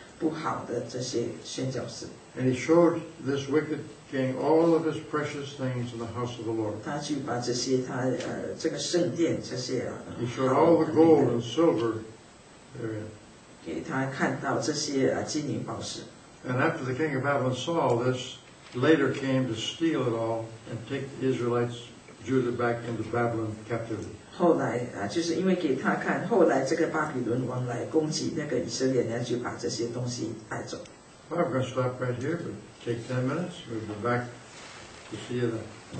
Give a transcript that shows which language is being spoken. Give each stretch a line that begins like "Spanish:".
Chinese: 他接受了他的礼物，接受了从巴比伦来的这些不好的这些宣教士。
English: And he showed this wicked king all of his precious things in the house of the Lord.
Chinese: 他去把这些他这个圣殿这些啊。
English: He showed all the gold and silver therein.
Chinese: 给他看到这些金银宝石。
English: And after the king of Babylon saw all this, later came to steal it all and take the Israelites, Judah, back into Babylon captivity.
Chinese: 后来就是因为给他看，后来这个巴比伦王来攻击那个以色列人，就把这些东西带走。
English: Well, we're going to stop right here, but take 10 minutes. We'll be back to see you then.